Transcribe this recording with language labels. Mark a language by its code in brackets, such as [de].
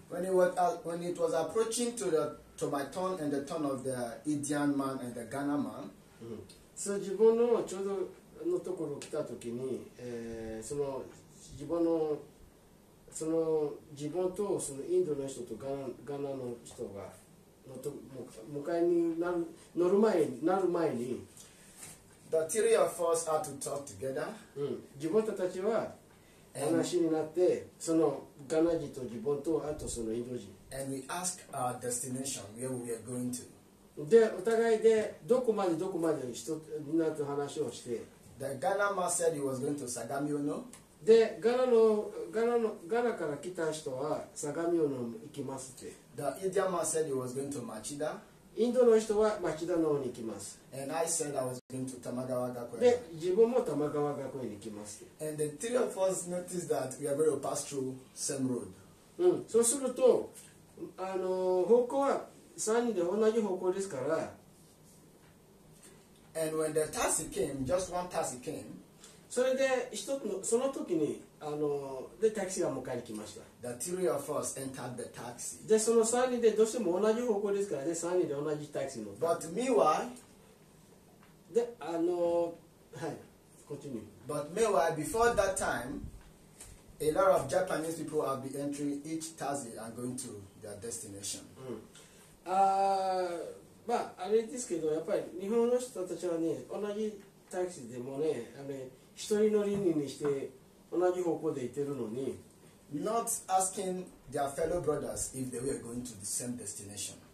[en] When it was approaching to my turn and the turn of the Indian man and the Ghana man. [ja] So 自分のちょうどのところ来た時に、その自分のその自分とそのインドの人とガナの人がのと迎えになる乗る前になる前に、 [en] the three of us are to talk together。 [ja] うん、自分たちは話になって、そのガナ人と自分とあとそのインド人。 [en] And we ask our destination where we are going to。 [ja] で、お互いでどこまでどこまで人になると話をして、 [en] the Ghana man said he was going to Sagamiono。 [ja] で、ガナから来た人は、サガミオノに行きますって。 [en] The Indian man said he was going to Machida. [ja] インドの人は、マチダの方に行きます。 [en] And I said I was going to Tamagawa Gakuen. [ja] で、自分も Tamagawa Gakuen に行きますって [en] 。And the three of us noticed that we are going to pass through same road. [ja] うん、そうすると、あの、方向は3人で同じ方向ですから。 [en] And when the taxi came, just one taxi came, [ja] それで一つのその時にあのでタクシーが迎えに来ました。 [en] The three of us entered the taxi. [ja] でその3人でどうしても同じ方向ですからね、3人で同じタクシーの。 [en] But meanwhile, [ja] であのはい、 [en] continue. But meanwhile, before that time, a lot of Japanese people have been entering each taxi and going to their destination. うん。 [ja] まああれですけどやっぱり日本の人たちはね同じタクシーでもねあれ。一人乗りにして同じ方向で行ってるのに、 [en] not asking their fellow brothers if they were going to the same destination。